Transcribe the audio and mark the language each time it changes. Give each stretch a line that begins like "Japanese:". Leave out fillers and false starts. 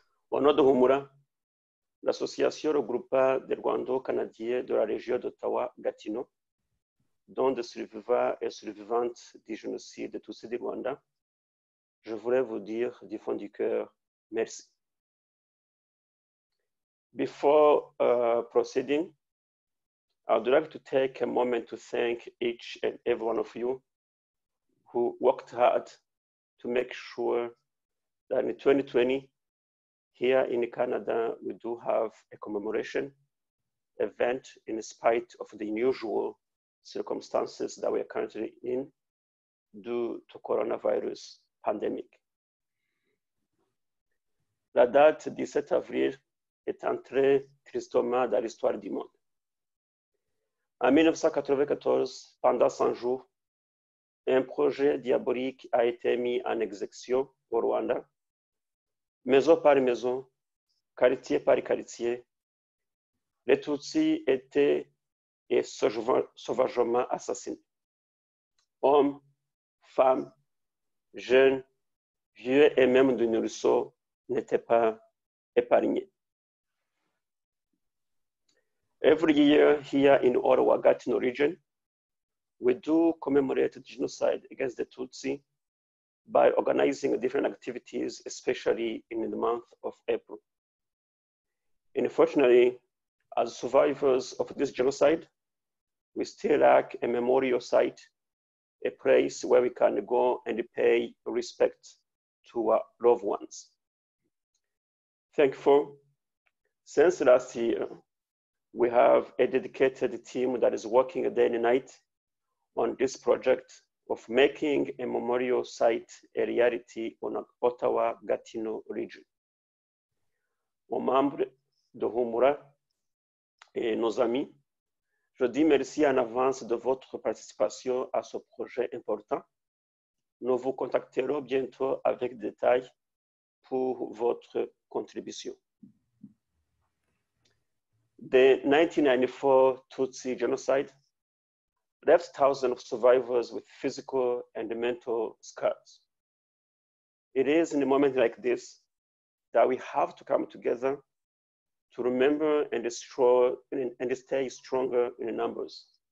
French: Au nom de Humura, l'association regroupant des Rwando-Canadiens de la région d'Ottawa-Gatineau, dont des survivants et survivantes du génocide de Tutsi du Rwanda, je voulais vous dire du fond du cœur merci.
English: Before proceeding, I would like to take a moment to thank each and every one of you who worked hard to make sure that in 2020, here in Canada, we do have a commemoration event in spite of the unusual circumstances that we are currently in due to coronavirus pandemic.
French: La date 17 avril est entrée tristement dans l'histoire du monde. En 1994, pendant 100 jours, un projet diabolique a été mis en exécution au Rwanda, maison par maison, quartier par quartier. Les Tutsis étaient et sauvagement assassinés. Hommes, femmes, jeunes, vieux et même de nourrissons n'étaient pas épargnés.
English: Every year here in Ottawa Gatineau region, we do commemorate the genocide against the Tutsi by organizing different activities, especially in the month of April. Unfortunately, as survivors of this genocide, we still lack a memorial site, a place where we can go and pay respect to our loved ones. Thankful, since last year, we have a dedicated team that is working day and night on this project of making a memorial site a reality on Ottawa-Gatineau region.
French: Aux membres de Humura et nos amis, je dis merci en avance de votre participation à ce projet important. Nous vous contacterons bientôt avec détail pour votre contribution.
English: The 1994 Tutsi genocide left thousands of survivors with physical and mental scars. It is in a moment like this that we have to come together to remember and stay stronger in numbers.